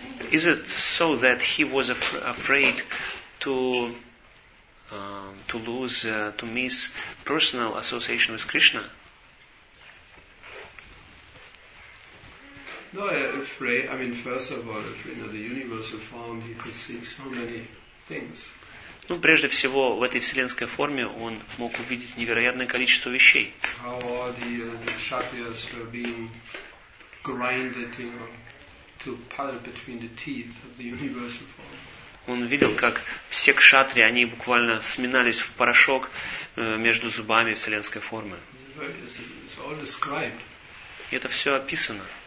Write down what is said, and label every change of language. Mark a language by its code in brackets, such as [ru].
[en] Is it so that he was afraid to... to miss personal association with Krishna? No, first of all, if in the universal form he could see so many things. [ru] Ну, прежде всего, в этой вселенской форме он мог увидеть невероятное количество вещей. [en] How all the kshatriyas were being grinded, to pulp between the teeth of the universal form. [ru] Он видел, как все кшатри, они буквально сминались в порошок между зубами вселенской формы. И это все описано.